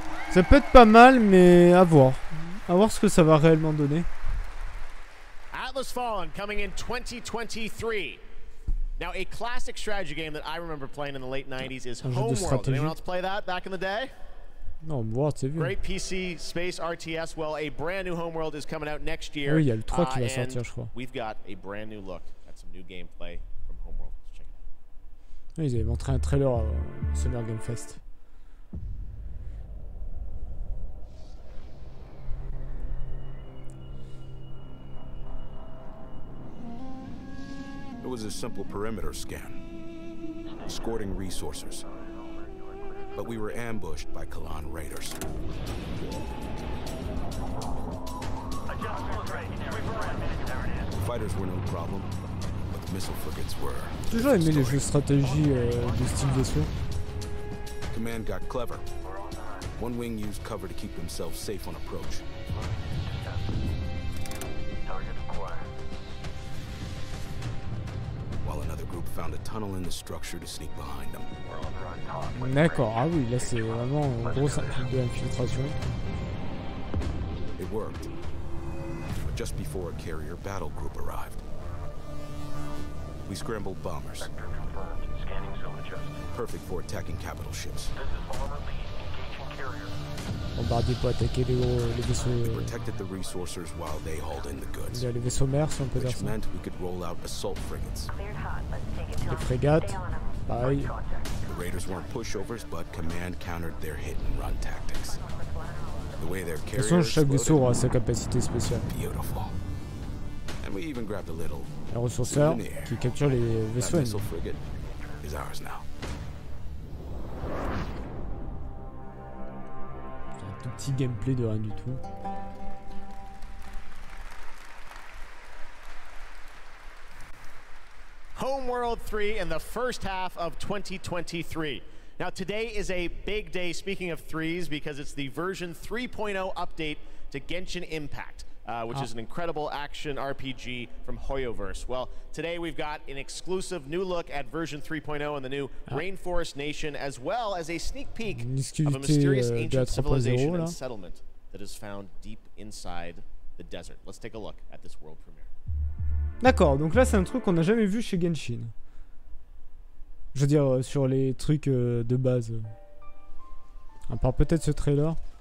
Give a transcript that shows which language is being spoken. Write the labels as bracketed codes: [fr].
[fr] Ça peut être pas mal, mais à voir. À voir ce que ça va réellement donner. [en] Atlas Fallen coming in 2023. Now, a classic strategy game that I remember playing in the late 90s is Homeworld. Anyone else play that back in the day? [fr] Non, moi, c'est vieux. [en] Great PC space RTS. Well, a brand new Homeworld is coming out next year. [fr] Oui, il y a le 3 qui va sortir, je crois. [en] We've got a brand new look at some new gameplay from Homeworld. Let's check it out. [fr] Ils avaient montré un trailer à Summer Game Fest. Mm-hmm. [en] It was a simple perimeter scan, escorting resources. But we were ambushed by Kalan raiders. Fighters were no problem, but the missile frigates were. [fr] Toujours aimé les jeux de stratégie de style vaisseau. [en] Command got clever. One wing used cover to keep themselves safe on approach. While another group found a tunnel in the structure to sneak behind them. [fr] D'accord, ah oui, là c'est vraiment un gros truc de infiltration. [en] It worked. But just before a carrier battle group arrived, we scrambled bombers. Perfect for attacking capital ships. [fr] Bombardier pour attaquer les vaisseaux. [en] We protected the resources while they hauled in the goods. [fr] Les vaisseaux mères, si on peut dire ça. [en] Meant we could roll out assault frigates. [fr] Les frégates, pareil. [en] The raiders weren't pushovers, but command countered their hit and run tactics. The way their carriers. [fr] De toute façon, chaque vaisseau aura sa capacité spéciale. [en] Beautiful. And we even grabbed a little. [fr] Un ressourceur qui capture les vaisseaux. [en] That missile frigate is ours now. [fr] Petit gameplay de rien du tout. [en] Homeworld 3 in the first half of 2023. Now today is a big day, speaking of threes, because it's the version 3.0 update to Genshin Impact, which is an incredible action RPG from Hoyoverse. Well, today we've got an exclusive new look at version 3.0 in the new Rainforest Nation, as well as a sneak peek of a mysterious ancient civilization and settlement that is found deep inside the desert. Let's take a look at this world premiere. [fr] D'accord, donc là c'est un truc qu'on n'a jamais vu chez Genshin. Je veux dire, sur les trucs de base. À part peut-être ce trailer.